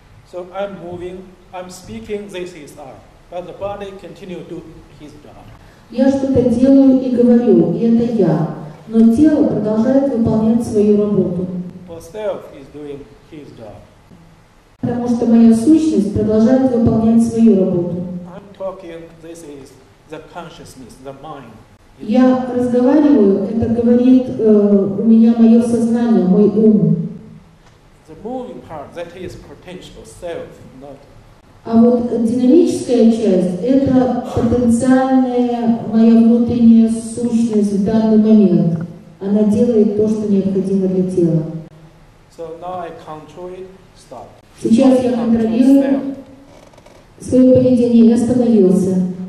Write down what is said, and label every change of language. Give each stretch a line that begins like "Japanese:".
English: So I'm moving, I'm speaking, this is I. But the body continues to do his job.
Russian: Я что-то делаю и говорю, и это я. Но тело продолжает выполнять свою работу.
English: Well, self is doing his job.
Russian: Потому что моя сущность продолжает выполнять свою работу.
English: I'm talking, this is the consciousness, the mind.
Russian: Я разговариваю, это говорит у меня мое сознание, мой ум.
English: The moving part, that is potential self, not.
Russian: А вот динамическая часть – это потенциальная моя внутренняя сущность в данный момент. Она делает то, что необходимо для тела.
English: So now I control it, stop.
Russian: Сейчас я контролирую свое поведение, я остановился.